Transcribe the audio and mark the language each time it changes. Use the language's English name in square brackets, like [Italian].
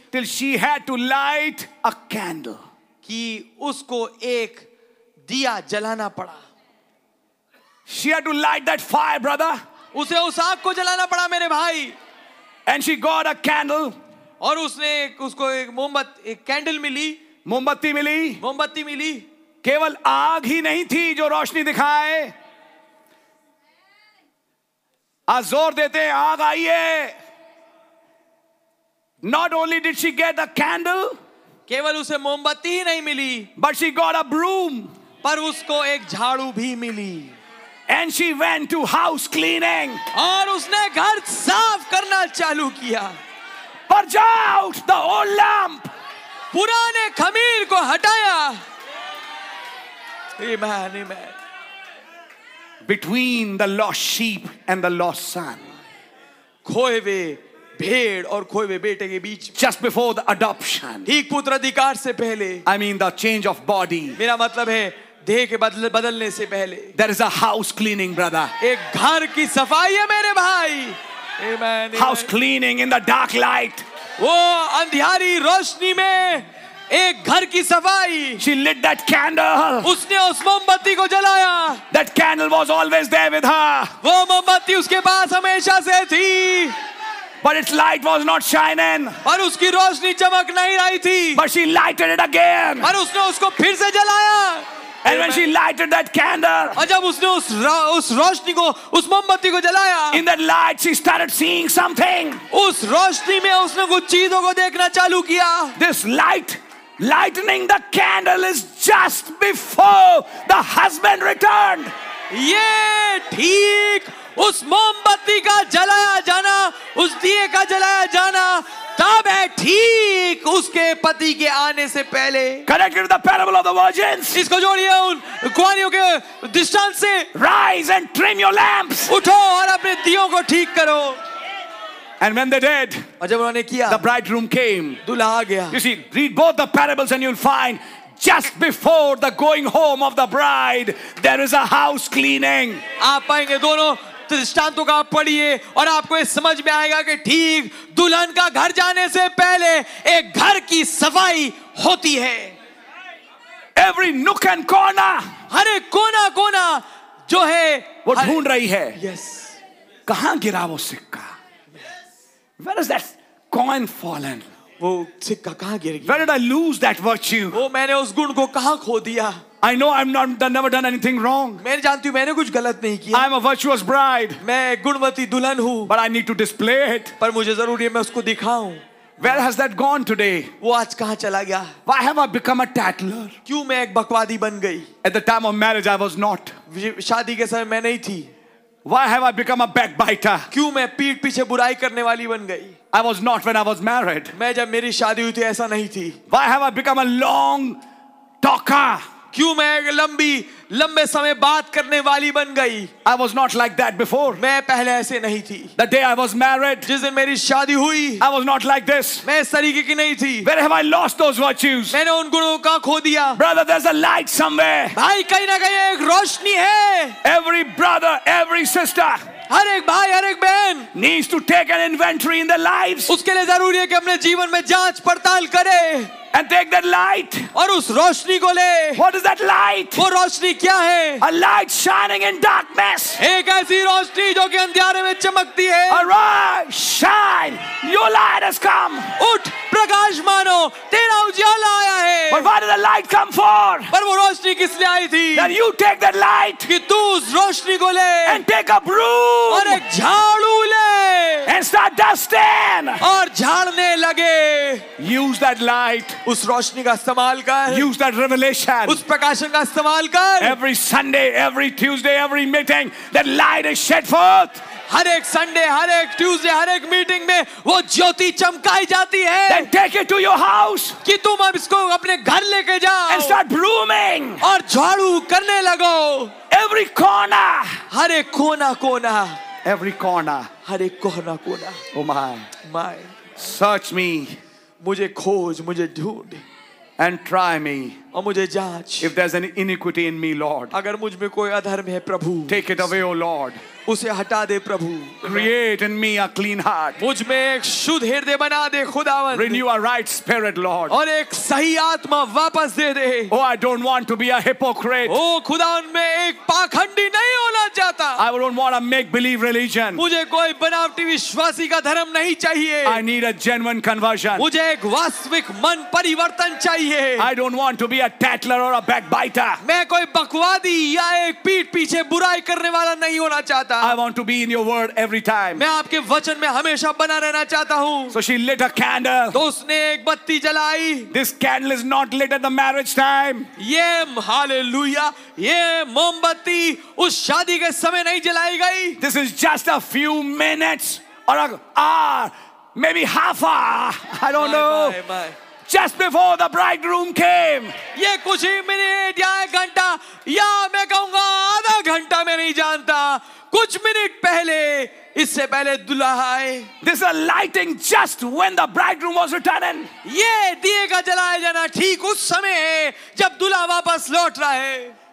[English] Till she had to light a candle. [Hindi] कि उसको एक दिया जलाना पड़ा। [English] She had to light that fire, brother. [Hindi] उसे उस आग को जलाना पड़ा मेरे भाई। [English] And she got a candle. [Hindi] और उसने उसको एक मोमबत्ती, एक कैंडल मिली। मोमबत्ती मिली। मोमबत्ती मिली। केवल आग ही नहीं थी जो रोशनी दिखाए। आज जोर देते हैं, आग आई है। [English] not only did she get a candle, [Hindi] केवल उसे मोमबत्ती ही नहीं मिली, [English] but she got a broom, [Hindi] पर उसको एक झाड़ू भी मिली। [English] and she went to house cleaning, [Hindi] और उसने घर साफ करना चालू किया। [English] purge out the old lamp, [Hindi] पुराने खमीर को हटाया। आमेन, आमेन। [English] Between the lost sheep and the lost son, [Hindi] खोए हुए भेड़ और खोए हुए बेटे के बीच, [English] just before the adoption, [Hindi] ठीक पुत्र अधिकार से पहले, [English] I mean the change of body, [Hindi] मेरा मतलब है देह के बदलने से पहले, [English] there is a house cleaning, brother, [Hindi] एक घर की सफाई है मेरे भाई, amen, [English] house cleaning in the dark light, [Hindi] वो अंधियारी रोशनी में एक घर की सफाई। [English] She lit that candle. [Hindi] उसने उस मोमबत्ती को जलाया। [English] That candle was always there with her. [Hindi] वो मोमबत्ती उसके पास हमेशा से थी। [English] But its light was not shining. [Hindi] पर उसकी रोशनी चमक नहीं रही थी। [English] But she lighted it again. [Hindi] पर उसने उसको फिर से जलाया। [English] And when she lighted that candle, [Hindi] और जब उसने उस रोशनी को, उस मोमबत्ती को जलाया, [English] in that light she started seeing something. [Hindi] उस रोशनी में उसने कुछ चीजों को देखना चालू किया। [English] This light lightening the candle is just before the husband returned. [Hindi] ये ठीक उस मोमबत्ती का जलाया जाना, उस दिए का जलाया जाना, तब है ठीक उसके पति के आने से पहले। [English] Connected to the parable of the virgins. [Hindi] इसको जोड़िए उन कुंवारियों के दृष्टांत से। [English] Rise and trim your lamps. [Hindi] उठो और अपने दियों को ठीक करो। [English] And when they did, [Hindi] और जब उन्होंने किया, [English] the bridegroom came. [Hindi] दूल्हा आ गया। [English] You see, read both the parables and you'll find just before the going home of the bride, there is a house cleaning. [Hindi] आप पाएंगे दोनों दृष्टांतों का पढ़िए और आपको इस समझ में आएगा कि ठीक दुल्हन का घर जाने से पहले एक घर की सफाई होती है। [English] Every nook and corner, [Hindi] हर एक कोना कोना जो है वो ढूंढ रही है। [English] Yes. [Hindi] कहां गिरा वो सिक्का? [English] Where is that coin fallen? [Hindi] वो सिक्का कहां गिर गया? [English] Where did I lose that virtue? [Hindi] वो मैंने उस गुण को कहां खो दिया? [English] I know I'm not done, never done anything wrong. [Hindi] मैं जानती हूँ मैंने कुछ गलत नहीं किया. [English] I'm a virtuous bride. [Hindi] मैं गुणवती दुल्हन हूँ. [English] But I need to display it. [Hindi] पर मुझे जरूरी है मैं उसको दिखाऊँ. [English] Where has that gone today? [Hindi] वो आज कहाँ चला गया? [English] Why have I become a tattler? [Hindi] क्यों मैं एक बकवादी बन गई? [English] At the time of marriage, I was not. [Hindi] शादी के समय मैं नहीं थी. [English] Why have I become a backbiter? [Hindi] क्यों मैं पीठ पीछे बुराई करने वाली बन गई? [English] I was not when I was married. [Hindi] मैं जब मेरी शादी हुई थी ऐसा नहीं थी. [English] Why have I become a long talker? [Hindi] क्यों मैं लंबी लंबे समय बात करने वाली बन गई? [English] I was not like that before. [Hindi] मैं पहले ऐसे नहीं थी. [English] The day I was married. [Hindi] जिस दिन मेरी शादी हुई. [English] I was not like this. [Hindi] मैं इस तरीके की नहीं थी. [English] Where have I lost those virtues? [Hindi] मैंने उन गुणों का खो दिया. [English] Brother, there's a light somewhere. [Hindi] भाई कहीं ना कहीं एक रोशनी है. [English] Every brother, every sister. [Hindi] हर एक भाई हर एक बहन [English] needs to take an inventory in their lives. [Hindi] उसके लिए जरूरी है कि अपने जीवन में जांच पड़ताल करे. [English] And take that light. [Hindi] और उस रोशनी को ले. [English] What is that light? [Hindi] वो रोशनी क्या है? [English] A light shining in darkness. [Hindi] एक ऐसी रोशनी जो कि अंधियारे में चमकती है. [English] Arise, shine. Your light has come. [Hindi] उठ, प्रकाश मानो. तेरा उजाला आया है. [English] But why did the light come for? [Hindi] पर वो रोशनी किस लिए आई थी? [English] That you take that light. [Hindi] कि तू उस रोशनी को ले. [English] And take a broom. [Hindi] और एक झाड़ू ले. [English] And start dusting. [Hindi] और झाड़ने लगे. [English] Use that light. [Hindi] उस रोशनी का इस्तेमाल कर. [English] Use that revelation. [Hindi] उस प्रकाशन का इस्तेमाल कर. [English] Every Sunday, every Tuesday, every meeting, that light is shed forth. [Hindi] हर एक संडे हर एक ट्यूसडे हर एक मीटिंग में वो ज्योति चमकाई जाती है. [English] Then take it to your house. [Hindi] कि तुम अब इसको अपने घर लेके जाओ. [English] And start brooming. [Hindi] और झाड़ू करने लगो. [English] Every corner. [Hindi] हर एक कोना कोना. [English] Every corner. [Hindi] हर एक कोना कोना. [English] Oh my. My. Search me. [Hindi] मुझे खोज मुझे ढूंढ. [English] And try me. [Hindi] और मुझे जांच. [English] If there's an iniquity in me, Lord. [Hindi] अगर मुझ में कोई अधर्म है प्रभु. [English] Take it away, O Lord. [Hindi] उसे हटा दे प्रभु. [English] Create in me a clean heart. [Hindi] मुझ में एक शुद्ध हृदय बना दे खुदावन. [English] Renew a right spirit, Lord. [Hindi] और एक सही आत्मा वापस दे दे. [English] Oh, I don't want to be a hypocrite. [Hindi] ओ खुदावन मैं एक पाखंडी नहीं होना चाहता. [English] I don't want a make-believe religion. [Hindi] मुझे कोई बनावटी विश्वासी का धर्म नहीं चाहिए. [English] I need a genuine conversion. [Hindi] मुझे एक वास्तविक मन परिवर्तन चाहिए. [English] I don't want to be a tattler or a backbiter. [Hindi] मैं कोई बकवादी या एक पीठ पीछे बुराई करने वाला नहीं होना चाहता. [English] I want to be in your word every time. [Hindi] मैं आपके वचन में हमेशा बना रहना चाहता हूँ. [English] So she lit a candle. [Hindi] तो उसने एक बत्ती जलाई. [English] This candle is not lit at the marriage time. [Hindi] ये हालेलुया, ये मोमबत्ती उस शादी के समय नहीं जलाई गई. [English] This is just a few minutes or an hour, maybe half hour. I don't know. Just before the bridegroom came. [Hindi] ये कुछ ही मिनट या एक घंटा या मैं कहूँगा आधा घंटा मैं नहीं जानता. कुछ मिनट पहले इससे पहले दुलाहे. [English] This is a lighting just when the bridegroom was returning. [Hindi] ये दिए का जलाया जाना ठीक उस समय है जब दूल्हा वापस लौट रहा है.